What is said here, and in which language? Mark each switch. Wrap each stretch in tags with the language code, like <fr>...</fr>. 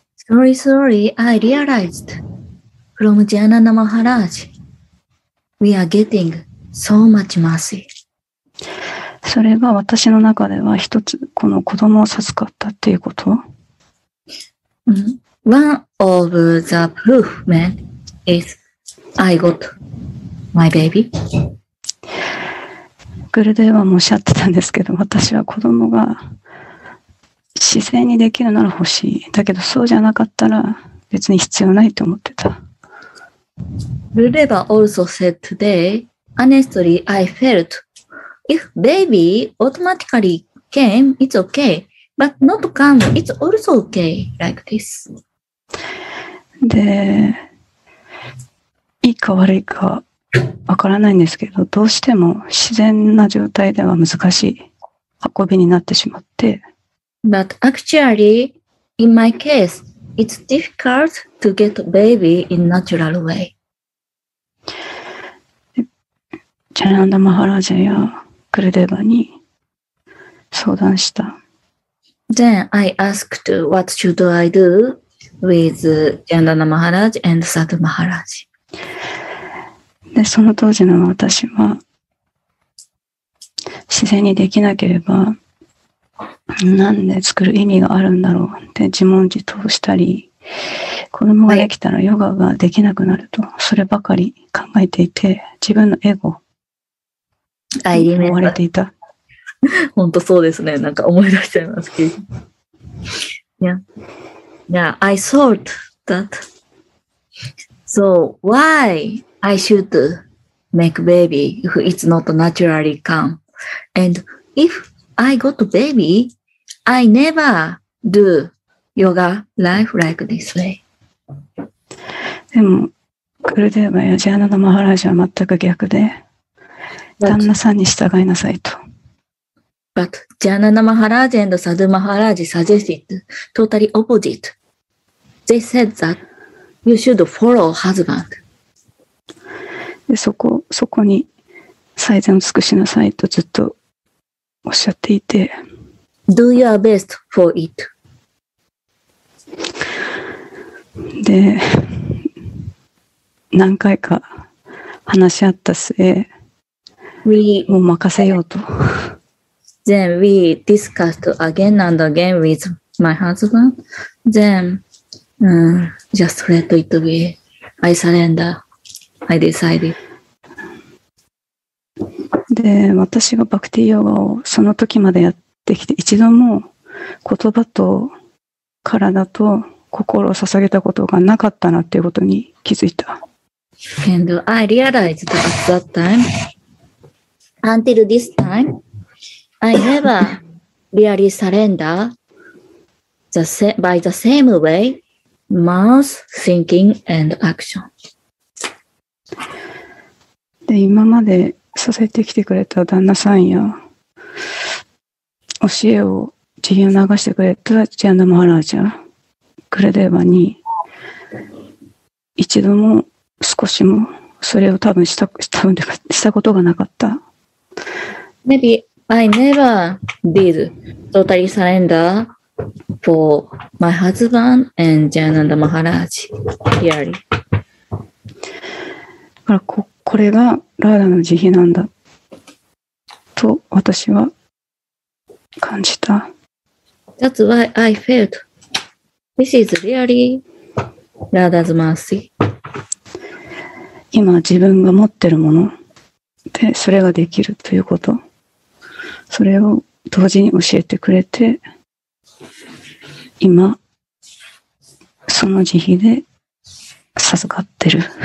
<en>Slowly I realized from ジャーナダマハラージ we are getting so much mercy.</en> <ja>それが私の中では一つこの子供を授かったっていうこと。</ja> <en>One of the proof man is I got my baby.</en> <ja>グルデーはもおっしゃってたんですけど、私は子供が自然にできるなら欲しい。だけどそうじゃなかったら別に必要ないと思ってた。</ja> <en>グルデーは also said today, honestly, I felt. If baby automatically came, it's okay. But not come, it's also okay like this.</en> <ja>で、いいか悪いかわからないんですけど、どうしても自然な状態では難しい運びになってしまって。</ja> <en>But actually, in my case, it's difficult to get baby in natural way.</en> <ja>ジャランダ・マハラジャやクルデバに相談した。</ja> <en>Then I asked what should I do with Jananda Maharaj and Sat Maharaj.</en> <ja>で、その当時の私は自然にできなければなんで作る意味があるんだろうって自問自答したり、子供ができたらヨガができなくなるとそればかり考えていて、自分のエゴ思われていた。本当そうですね。なんか思い出しちゃいますけど。</ja> <en>Yeah. Yeah, I thought that So why I should make baby if it's not naturally come? And if I got a baby, I never do yoga life like this way.</en> <ja>でもこれでヨジアナダマハラージャは全く逆で旦那さんに従いなさいと。</ja> <en>But Jnana Maharaj and Sadhu Maharaj suggested totally opposite. They said that you should follow husband.</en> <ja>で、そこに最善を尽くしなさいとずっとおっしゃっていて。</ja> <en>Do your best for it.</en> <ja>で、何回か話し合った末、もう任せようと。</ja> <en>Then we discussed again and again with my husband. Then, just let it be. I surrender. I decided.</en> <ja>で、私がバクティヨガをその時までやってきて、一度も言葉と体と心を捧げたことがなかったなっていうことに気づいた。</ja> <en>And I realized at that time, until this time,I never really surrender by the same way, mouth, thinking, and action.</en> <ja>で、今まで支えてきてくれた旦那さんや教えを自由流してくれたジャンナ・マハラージャ、グルデーバに一度も少しもそれを多分したことがなかった。</ja> <en>Maybe. I never did totally surrender for my husband and Jnana Maharaj, really.</en> <ja>だから これがラーダの慈悲なんだと私は感じた。</ja> <en>That's why I felt this is really Radha's mercy.</en> <ja>今自分が持ってるものでそれができるということ。それを同時に教えてくれて、今その慈悲で授かってる。</ja>